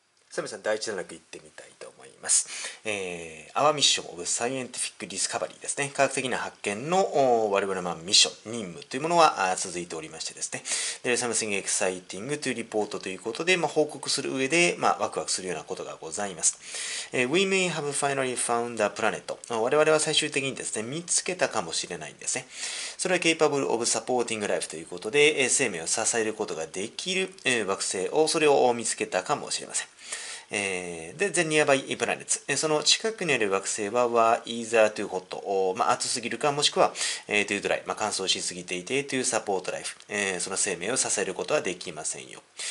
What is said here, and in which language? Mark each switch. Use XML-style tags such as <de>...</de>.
<ja>さあ皆さん、第一段落行ってみたいと思います。</ja> <en>アワミッションオブサイエンティフィックディスカバリー</en> <ja>ですね。科学的な発見の我々のミッション、任務というものは続いておりましてですね。で、</ja> <en>サムシングエキサイティング</en> <ja>というリポートということで、まあ、報告する上で、まあ、ワクワクするようなことがございます。</ja> <en>We may have finally found a planet.</en> <ja>我々は最終的にですね、見つけたかもしれないんですね。それは</ja> <en>capable of supporting life</en> <ja>ということで、生命を支えることができる惑星を、それを見つけたかもしれません。</ja> <en>で、the nearby planets。</en> <ja>その近くにある惑星は、は</ja> <en>either too hot、</en> <ja>まあ、暑すぎるか、もしくは、</ja> <en>too dry、</en> <ja>まあ、乾燥しすぎていて、</ja> <en>too support life、</en> <ja>その生命を支えることはできませんよ。</ja>